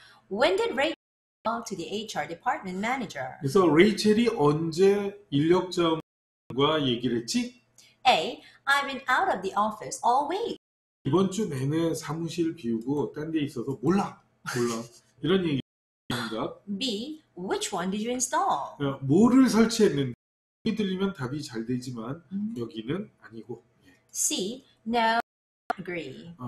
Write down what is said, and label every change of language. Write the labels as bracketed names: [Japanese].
[English] When did Rachel talk to the HR department manager? [Korean] 그래서 레이첼이 언제 인력자원과 얘기를 했지? [English] A. I've been out of the office all week. [Korean] 이번 주 내내 사무실 비우고 딴 데 있어서 몰라. 몰라. 이런 얘기. [English] B. Which one did you install? [Korean] 뭐를 설치했는지 소리 들리면 답이 잘 되지만 여기는 아니고. 예. [English] C. No, I don't agree.